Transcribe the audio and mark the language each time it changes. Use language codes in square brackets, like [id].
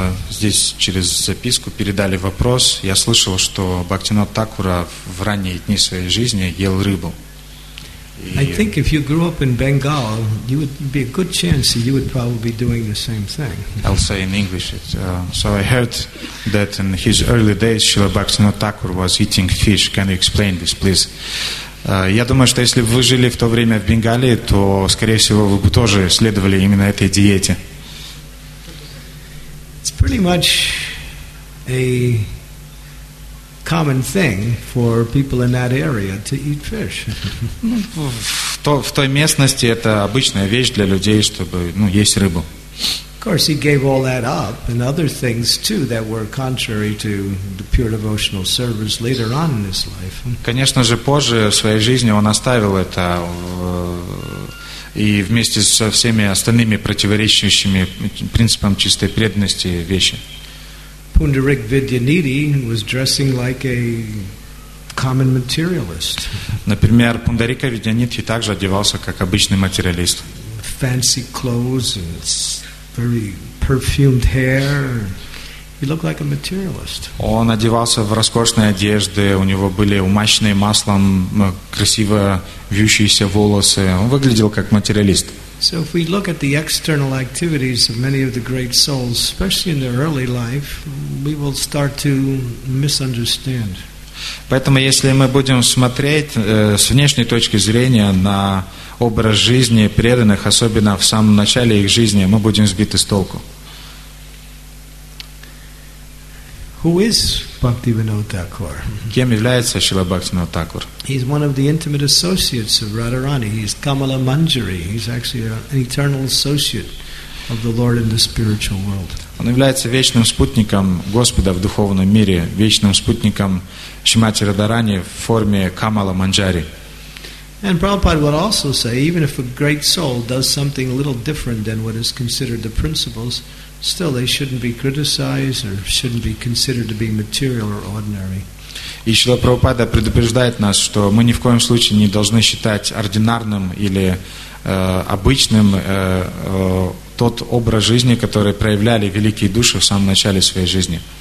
[ru] Здесь через записку передали вопрос. Я слышал, что Бхактивинода Такура в ранние дни своей жизни ел рыбу. [en] I think if you grew up in Bengal, you would be a good chance that you would probably be doing the same thing. I'll say in English. So I heard that in his early days, Srila Bhaktivinoda Thakur was eating fish. Can you explain this, please? [ru] Я думаю, что если бы вы жили в то время в Бенгалии, то, скорее всего, вы бы тоже следовали именно этой диете. [en] It's pretty much a common thing for people in that area to eat fish. [ru] В той местности это обычная вещь для людей, чтобы, есть рыбу. [en] Of course, he gave all that up and other things too that were contrary to the pure devotional service later on in his life. [ru] Конечно же, позже в своей жизни он оставил это и вместе со всеми остальными противоречащими принципам чистой преданности вещи. [en] Пундарик Видьяниди was dressing like a common materialist. [ru] Например, Пундарика Видьяниди также одевался как обычный материалист. [en] Fancy clothes and very perfumed hair. He looked like a materialist. [ru] Он одевался в роскошные одежды, у него были умащенные маслом красиво вьющиеся волосы. Он выглядел как материалист. [en] So if we look at the external activities of many of the great souls, especially in their early life, we will start to misunderstand. [ru] Поэтому если мы будем смотреть с внешней точки зрения на образ жизни преданных, особенно в самом начале их жизни, мы будем сбиты с толку. [en] Who is Bhaktivinoda Thakur? [ru] Кем является Шрила Бхактивинода Тхакур? [en] He's one of the intimate associates of Radharani. He's Kamala Manjari. He's actually an eternal associate of the Lord in the spiritual world. [ru] Он является вечным спутником Господа в духовном мире, вечным спутником Шримати Радхарани в форме Камала Манджари. [en] And Prabhupada would also say, even if a great soul does something a little different than what is considered the principles, still they shouldn't be criticized or shouldn't be considered to be material or ordinary. [ru] И Шрила Прабхупада предупреждает нас, что мы ни в коем случае не должны считать ординарным или обычным тот образ жизни, который проявляли великие души в самом начале своей жизни.